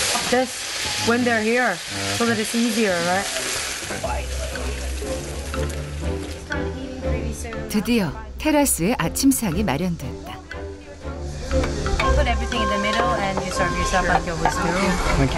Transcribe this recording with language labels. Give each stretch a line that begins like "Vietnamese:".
English: This, when they're here, so that it's easier, right?
Korean: 드디어 테라스에 아침상이 마련됐다.
English: Put everything in the middle and you serve yourself like you always do.